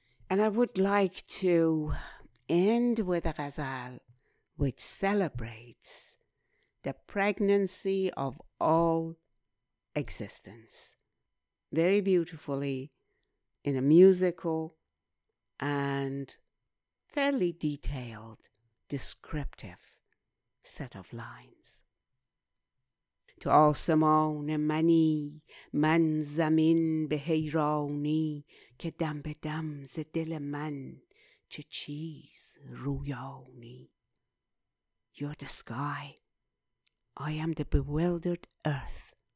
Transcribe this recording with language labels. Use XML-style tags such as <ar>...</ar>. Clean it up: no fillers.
<en>And I would like to end with a ghazal which celebrates the pregnancy of all existence very beautifully in a musical and fairly detailed, descriptive set of lines.</en> <fa>تو آسمان منی، من زمین به حیرانی، که دم به دم ز دل من چه چیز رویانی.</fa> <en>You're the sky, I am the bewildered earth.</en>